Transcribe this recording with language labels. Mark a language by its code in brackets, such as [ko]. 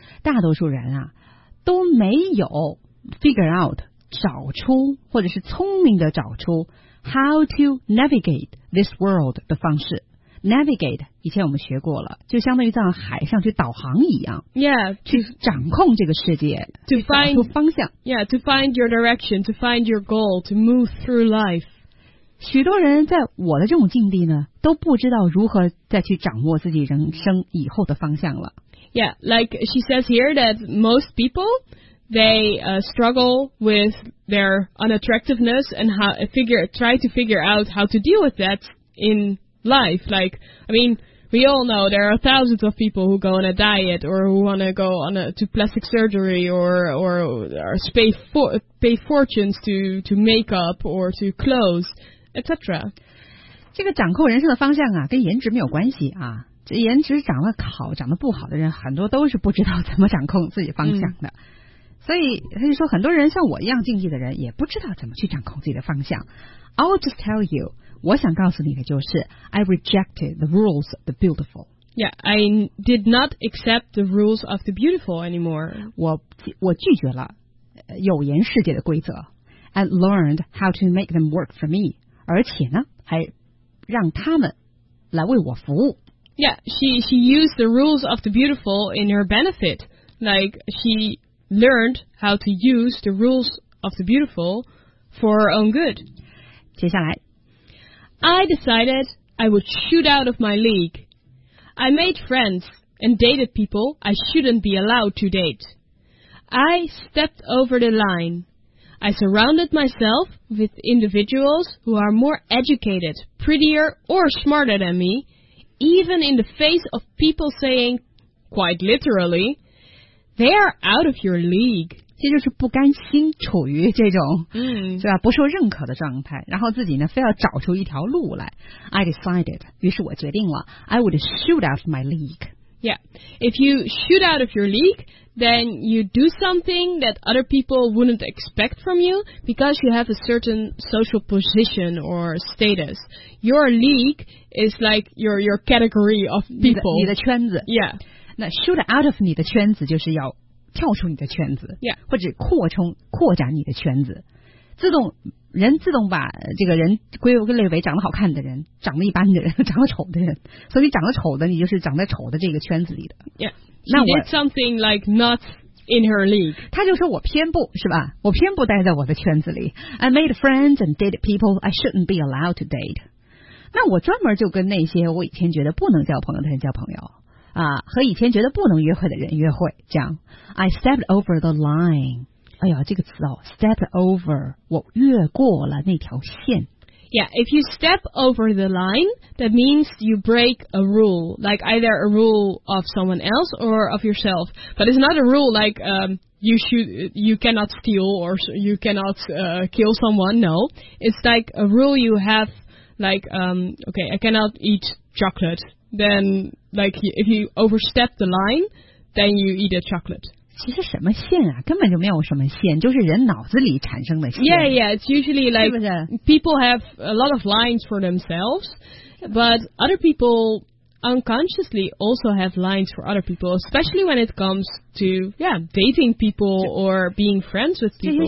[zh] 大多数人啊都没有 [en] figure out [zh] 找出或者是聪明的找出 [en] how to navigate this world [zh] 的方式。 Navigate 以前我们学过了，就相当于在海上去导航一样。 [en] Yeah, [zh] 去掌控这个世界 [en] to find, [zh] 找出方向。 [en] Yeah, to find your direction, to find your goal, to move through life。 [zh] 许多人在我的这种境地呢都不知道如何再去掌握自己人生以后的方向了。 [en] Yeah, like she says here that most people, they struggle with their unattractiveness and try to figure out how to deal with that in life. Like, I mean, we all know there are thousands of people who go on a diet or who want to go on to plastic surgery or pay fortunes to makeup or to clothes, etc. [zh] 这个掌控人生的方向啊，跟颜值没有关系啊。这颜值长得好长得不好的人很多都是不知道怎么掌控自己方向的、所以他就说很多人像我一样境界的人也不知道怎么去掌控自己的方向。 [en] I'll just tell you [zh] 我想告诉你的就是 [en] I rejected the rules of the beautiful. Yeah, I did not accept the rules of the beautiful anymore. [zh] 我拒绝了有颜世界的规则 [en] and learned how to make them work for me. [zh] 而且呢还让他们来为我服务。 [en] Yeah, she used the rules of the beautiful in her benefit. Like, she learned how to use the rules of the beautiful for her own good. [zh] 接下来 [en] I decided I would shoot out of my league. I made friends and dated people I shouldn't be allowed to date. I stepped over the line. I surrounded myself with individuals who are more educated, prettier, or smarter than me. Even in the face of people saying, quite literally, they are out of your league. [zh] 这就是不甘心处于这种、是吧不受认可的状态，然后自己呢非要找出一条路来。 [en] I decided, [zh] 于是我决定了 [en] I would shoot out of my league. Yeah, if you shoot out of your league, then you do something that other people wouldn't expect from you because you have a certain social position or status. Your league... It's like your category of people. [zh] 你的圈子。 [en] Yeah. [zh] 那 [en] shoot out of [zh] 你的圈子就是要跳出你的圈子。 [en] Yeah. [zh] 或者扩展你的圈子。自动把这个人归类为长得好看的人、长得一般的人、长得丑的人。所以长得丑的你就是长得丑的这个圈子里的。 [en] Yeah. She did something like not in her league. [zh] 他就说我偏不是吧我偏不待在我的圈子里。 [en] I made friends and dated people I shouldn't be allowed to date. [zh] 那我专门就跟那些我以前觉得不能交朋友的人交朋友啊，和以前觉得不能约会的人约会，这样。 [en] I stepped over the line. [zh] 哎呀，这个词哦 ，step over， 我越过了那条线。 [en] Yeah, if you step over the line, that means you break a rule, like either a rule of someone else or of yourself. But it's not a rule like you cannot steal or you cannot kill someone. No, it's like a rule you have. Like, okay, I cannot eat chocolate. Then, like, if you overstep the line, then you eat a chocolate. [zh] 其实什么线啊？根本就没有什么线，就是人脑子里产生的线。 [en] Yeah, yeah, it's usually like people have a lot of lines for themselves, but other people unconsciously also have lines for other people, especially when it comes to, yeah, dating people or being friends with people.